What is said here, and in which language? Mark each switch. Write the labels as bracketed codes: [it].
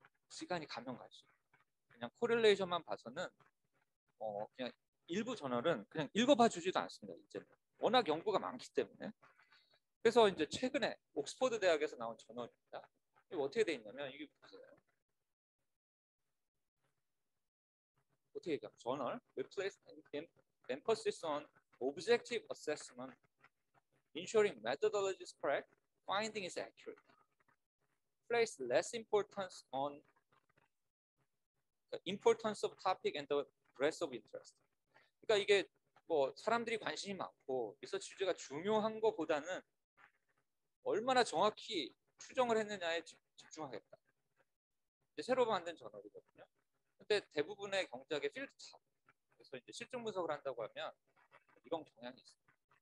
[ko] 시간이 가면 갈수록. 그냥 코릴레이션만 봐서는 그냥 일부 저널은 그냥 읽어봐 주지도 않습니다. 이제는. 워낙 연구가 많기 때문에. 그래서 이제 최근에 옥스퍼드 대학에서 나온 저널입니다. 이게 어떻게 돼 있냐면, 이게 보세요. 어떻게 얘기하면, 저널, [en] Replace Emphasis on Objective assessment, ensuring methodology is correct, finding is accurate. Place less importance on the importance of topic and the breadth of interest. [ko] 그러니까 이게 뭐 사람들이 관심이 많고 리서치 주제가 중요한 거보다는 얼마나 정확히 추정을 했느냐에 집중하겠다. 이제 새로 만든 저널이거든요. 근데 대부분의 경제학의 필드 탑. 그래서 이제 실증 분석을 한다고 하면 이런 경향이 있습니다.